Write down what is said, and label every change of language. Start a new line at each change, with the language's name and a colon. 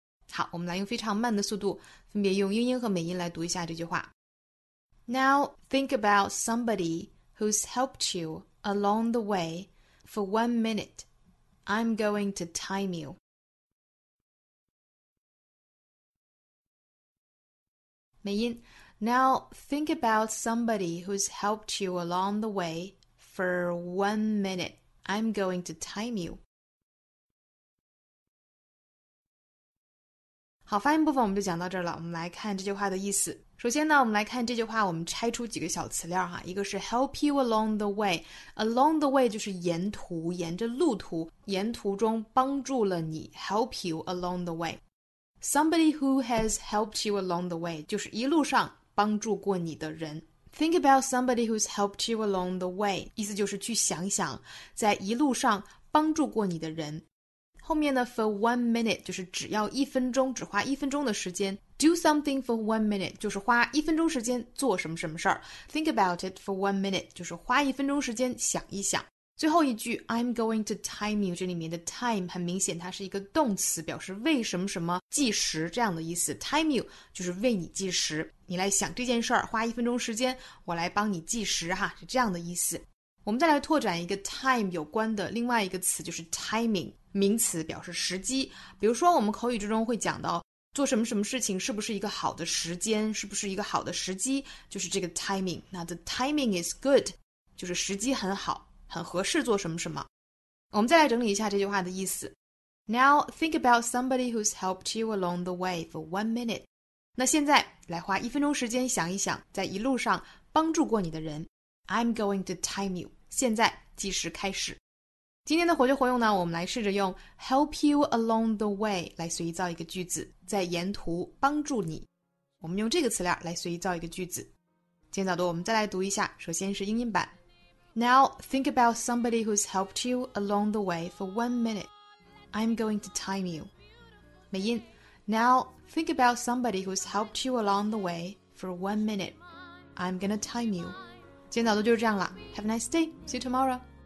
Chinese: 好，我们来用非常慢的速度分别用英音和美音来读一下这句话。
English: Now think about somebody who's helped you along the way for 1 minute. I'm going to time you. Now, think about somebody who's helped you along the way for 1 minute. I'm going to time you.
Chinese: 好，发音部分我们就讲到这儿了。我们来看这句话的意思。首先呢，我们来看这句话，我们拆出几个小词料哈。一个是
English: help you along the way，
Chinese: along the way 就是沿途，沿着路途，沿途中帮助了你， help you along the way.
English: Somebody who has helped you along the way，
Chinese: 就是一路上帮助过你的人。
English: Think about somebody who's helped you along the way，
Chinese: 意思就是去想想在一路上帮助过你的人。后面呢
English: for 1 minute
Chinese: 就是只要一分钟，只花一分钟的时间。
English: Do something for 1 minute
Chinese: 就是花一分钟时间做什么什么事儿。
English: Think about it for 1 minute
Chinese: 就是花一分钟时间想一想。最后一句
English: I'm going to time you，
Chinese: 这里面的 time 很明显它是一个动词，表示为什么什么计时这样的意思。 time you 就是为你计时，你来想这件事儿，花一分钟时间，我来帮你计时哈，是这样的意思。我们再来拓展一个 time 有关的另外一个词，就是 timing， 名词表示时机。比如说我们口语之中会讲到做什么什么事情是不是一个好的时间，是不是一个好的时机，就是这个 timing。那
English: the timing is good
Chinese: 就是时机很好，很合适做什么什么。我们再来整理一下这句话的意思。
English: Now, think about somebody who's helped you along the way for 1 minute.
Chinese: 那现在来花一分钟时间想一想在一路上帮助过你的人。
English: I'm going to time you.
Chinese: 现在计时开始。今天的活学活用呢，我们来试着用
English: help you along the way
Chinese: 来随意造一个句子，在沿途帮助你。我们用这个词链来随意造一个句子。今天早读我们再来读一下，首先是英音版。
English: Now think about somebody who's helped you along the way for 1 minute. I'm going to time you.
Chinese: 美音。
English: Now think about somebody who's helped you along the way for 1 minute. I'm gonna time you.
Chinese: 今天早读就是这样了。
English: Have a nice day. See you tomorrow.